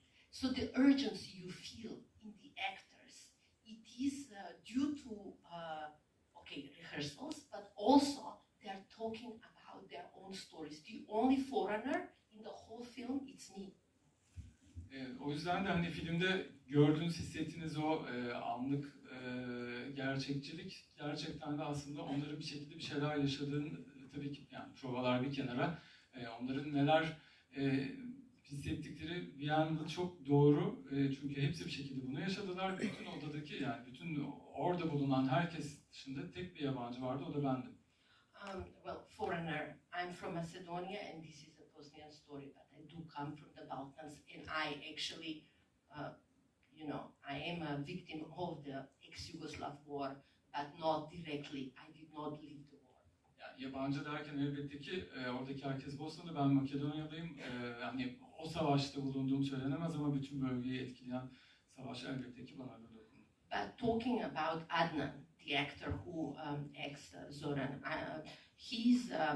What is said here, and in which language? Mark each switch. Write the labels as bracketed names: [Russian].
[English] So the urgency you feel in the actors, it is due to rehearsals, but also they are talking about their own stories. The only foreigner the whole film, it's me. [Turkish] O yüzden de hani filmde gördüğünüz, hissettiğiniz o anlık gerçekçilik gerçekten de aslında onların bir şekilde bir şeyler yaşadığını, tabii ki yani provalar bir kenara, onların neler hissettikleri bir anda çok doğru. Çünkü hepsi bir şekilde bunu yaşadılar. Bütün odadaki, yani bütün orada bulunan herkes dışında tek bir yabancı vardı, o da bendim. [English] Foreigner. I'm from Macedonia and this is Bosnian story, but I do come from the Balkans, and I actually, I am a victim of the ex-Yugoslav war, but not directly. I did not leave the war. [Turkish] Yani yabancı derken elbette ki oradaki herkes Bosnalı, ben Makedonyalıyım. Yani o savaşta bulunduğum söylenemez ama bütün bölgeyi etkileyen savaş elbette ki bana da dokundu. [English] But talking about Adnan, the actor who acts Zoran, he's